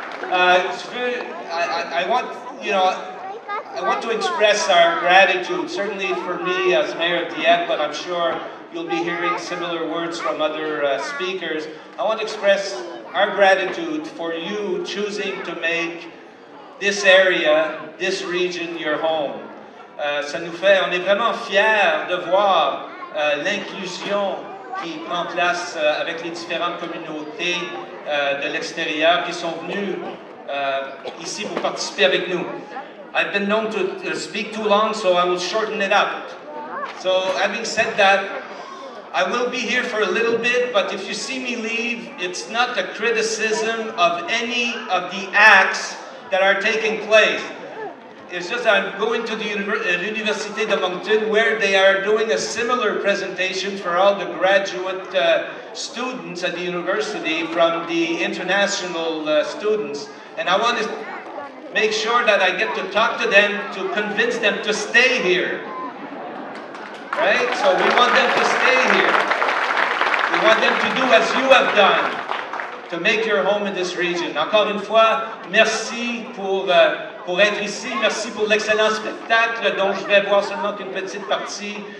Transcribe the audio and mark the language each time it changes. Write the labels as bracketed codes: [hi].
[en] I want to express our gratitude, certainly for me as Mayor of Dieppe, but I'm sure you'll be hearing similar words from other speakers. I want to express our gratitude for you choosing to make this area, this region, your home. [fr] Ça nous fait, on est vraiment fiers de voir l'inclusion qui prend place avec les différentes communautés de l'extérieur qui sont venues ici pour participer avec nous. [en] I've been known to speak too long, so I will shorten it up. So having said that, I will be here for a little bit, but if you see me leave, it's not a criticism of any of the acts that are taking place. It's just I'm going to the Université de Moncton, where they are doing a similar presentation for all the graduate students at the university from the international students. And I want to make sure that I get to talk to them to convince them to stay here. Right? So we want them to stay here. We want them to do as you have done to make your home in this region. [fr] Encore une fois, merci pour être ici. Merci pour l'excellent spectacle dont je vais voir seulement une petite partie.